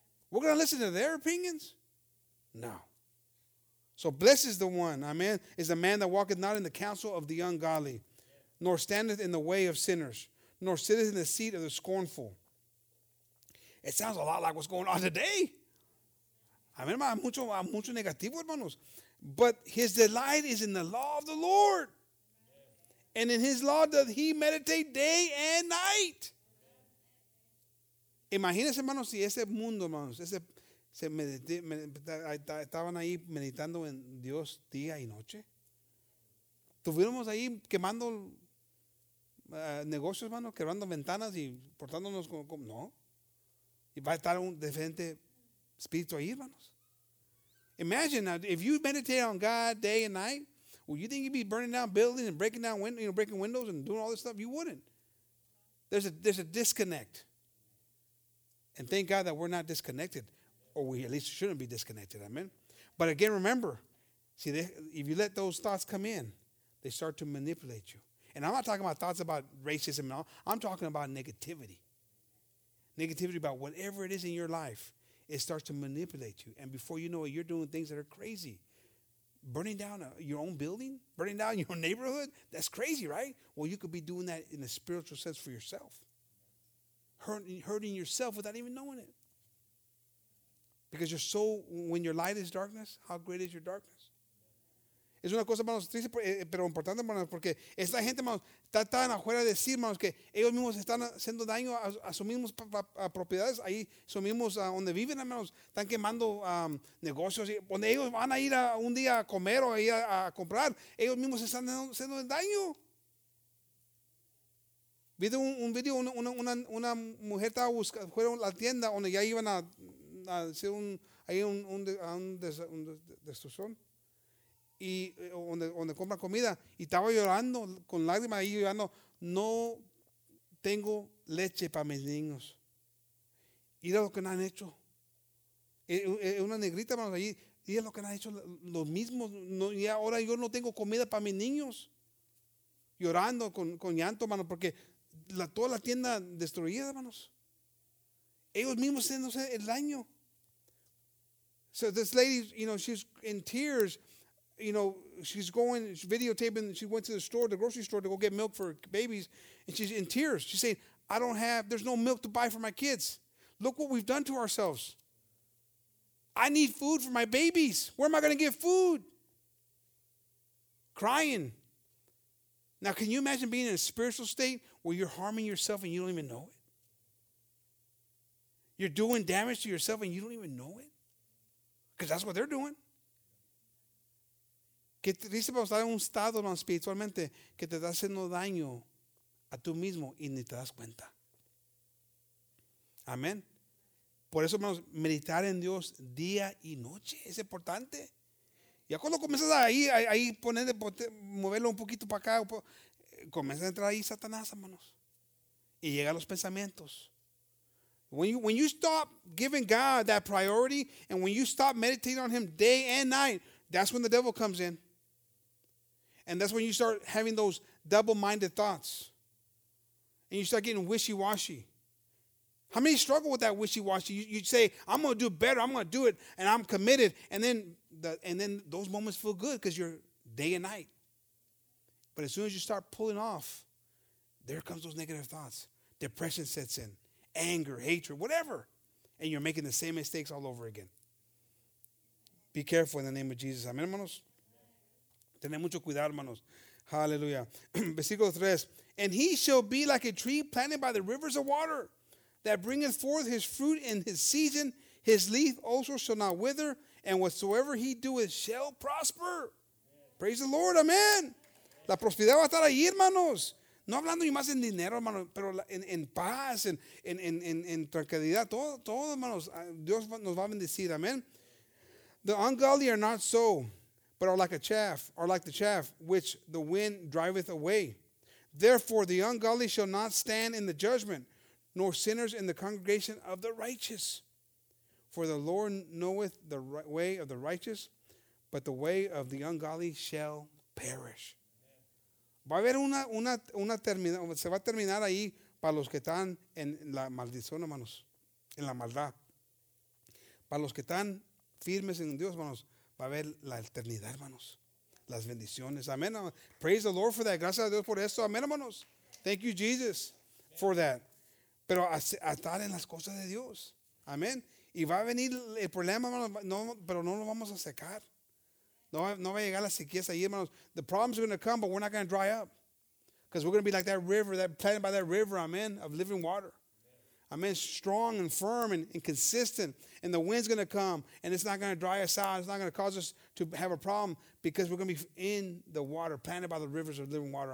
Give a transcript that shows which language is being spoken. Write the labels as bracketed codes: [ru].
[en] We're going to listen to their opinions? No. So blessed is the one, amen, is the man that walketh not in the counsel of the ungodly, nor standeth in the way of sinners, nor sitteth in the seat of the scornful. It sounds a lot like what's going on today. Amen, [es] mucho negativo, hermanos. [en] But his delight is in the law of the Lord. And in his law doth he meditate day and night. [es] Imagínense, hermanos, si ese mundo, hermanos, estaban ahí meditando en Dios día y noche. Tuviéramos ahí quemando negocios, hermanos, quebrando ventanas y portándonos como no. Y va a estar un diferente espíritu ahí, hermanos. [en] Imagine now, if you meditate on God day and night, well, you think you'd be burning down buildings and breaking down breaking windows and doing all this stuff? You wouldn't. There's a disconnect. And thank God that we're not disconnected, or we at least shouldn't be disconnected. Amen. But again, remember, see, if you let those thoughts come in, they start to manipulate you. And I'm not talking about thoughts about racism and all. I'm talking about negativity. Negativity about whatever it is in your life. It starts to manipulate you. And before you know it, you're doing things that are crazy. Burning down your own building? Burning down your neighborhood? That's crazy, right? Well, you could be doing that in a spiritual sense for yourself. Hurting yourself without even knowing it. Because your soul, when your light is darkness, how great is your darkness? [es] Es una cosa, hermanos, triste, pero importante, hermanos, porque esta gente, hermanos, está tan afuera de sí, hermanos, que ellos mismos están haciendo daño a sus mismas propiedades, ahí sus mismos donde viven, hermanos, están quemando negocios. Y donde ellos van a ir a un día a comer o a ir a comprar, ellos mismos están haciendo daño. Vi un video, una mujer estaba buscando, fueron a la tienda donde ya iban a hacer un ahí un destrucción y donde compran comida y estaba llorando con lágrimas y llorando, no tengo leche para mis niños. Y era lo que no han hecho. Una negrita, vamos allí, y es lo que no han hecho, lo mismo. No, y ahora yo no tengo comida para mis niños. Llorando con llanto, hermano, porque toda la tienda destruida, hermanos. Ellos mismos haciéndose el daño. [en] So this lady, you know, she's in tears. You know, she's going, she's videotaping, she went to the store, the grocery store, to go get milk for babies, and she's in tears. She's saying, I don't have, there's no milk to buy for my kids. Look what we've done to ourselves. I need food for my babies. Where am I going to get food? Crying. Now, can you imagine being in a spiritual state where you're harming yourself and you don't even know it? You're doing damage to yourself and you don't even know it? Because that's what they're doing. [es] Que te dice para estar en un estado espiritualmente que te está haciendo daño a tú mismo y ni te das cuenta. Amén. Por eso, hermanos, meditar en Dios día y noche es importante. Ya cuando comienzas ahí ponerle, moverlo un poquito para acá, comienza a entrar ahí Satanás, hermanos. Y llega a los pensamientos. [en] When you stop giving God that priority and when you stop meditating on him day and night, that's when the devil comes in. And that's when you start having those double-minded thoughts. And you start getting wishy-washy. How many struggle with that wishy-washy? You say, I'm going to do better. I'm going to do it. And I'm committed. And then those moments feel good because you're day and night. But as soon as you start pulling off, there comes those negative thoughts. Depression sets in. Anger, hatred, whatever. And you're making the same mistakes all over again. Be careful in the name of Jesus. Amen, hermanos. [es] Tener mucho cuidado, hermanos. [en] Hallelujah. Versículo 3. And he shall be like a tree planted by the rivers of water. That bringeth forth his fruit in his season, his leaf also shall not wither, and whatsoever he doeth shall prosper. [es] Amen. [en] Praise the Lord, [es] amen. La prosperidad va a estar ahí, hermanos. No hablando ni más en dinero, hermanos, pero en paz, en tranquilidad, todo, hermanos. Dios nos va a bendecir, amen. [en] The ungodly are not so, but are like a chaff, or like the chaff which the wind driveth away. Therefore, the ungodly shall not stand in the judgment, nor sinners in the congregation of the righteous. For the Lord knoweth the way of the righteous, but the way of the ungodly shall perish. [es] Va a haber una termina, se va a terminar ahí para los que están en la maldición, hermanos, en la maldad. Para los que están firmes en Dios, hermanos, va a haber la eternidad, hermanos. Las bendiciones. Amen. [en] Praise the Lord for that. [es] Gracias a Dios por esto. Amen, hermanos. [en] Thank you, Jesus, for that. [es] Pero a estar en las cosas de Dios. Amén. Y va a venir el problema, hermanos, pero no lo vamos a secar. No va a llegar la sequía ahí, hermanos. [en] The problems are going to come, but we're not going to dry up. Because we're going to be like that river, that planted by that river, amen, of living water. Amén. Strong and firm and consistent. And the wind's going to come, and it's not going to dry us out. It's not going to cause us to have a problem because we're going to be in the water, planted by the rivers of living water.